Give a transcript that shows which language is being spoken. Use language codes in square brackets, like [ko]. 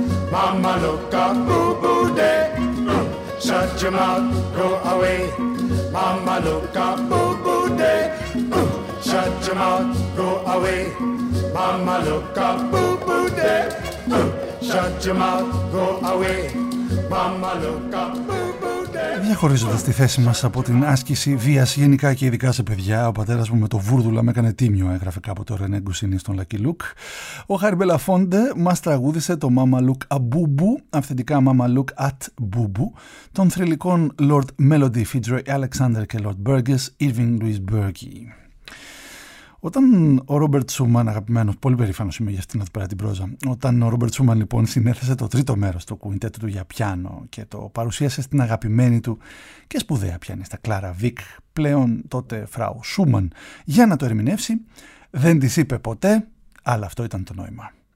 [en] Mama look a boo boo day, shut your mouth, go away. Mama look a boo boo day, shut your mouth, go away. Mama look a boo boo day, shut your mouth, go away. Mama look a boo boo. [el] Διαχωρίζοντας τη θέση μας από την άσκηση βίας γενικά και ειδικά σε παιδιά, ο πατέρας μου με το βούρδουλα με έκανε τίμιο, έγραφε κάποτε ο Ρενέ Γκουσίνη στον Lucky Look. Ο Χάρι Μπελαφόντε μας τραγούδησε το Mama Look a Boo Boo, αυθεντικά Mama Look at Boo Boo, των θρηλυκών Lord Melody Fitzroy Alexander και Lord Burgess Irving Louis Burgi. Όταν ο Ρόμπερτ Σούμαν, αγαπημένος, πολύ περήφανος είμαι για αυτήν εδώ πέρα την πρόζα, όταν ο Ρόμπερτ Σούμαν λοιπόν συνέθεσε το τρίτο μέρος του κουιντέτου του για πιάνο και το παρουσίασε στην αγαπημένη του και σπουδαία πιανίστα Κλάρα Βίκ, πλέον τότε Φράου Σούμαν, για να το ερμηνεύσει, δεν της είπε ποτέ, αλλά αυτό ήταν το νόημα.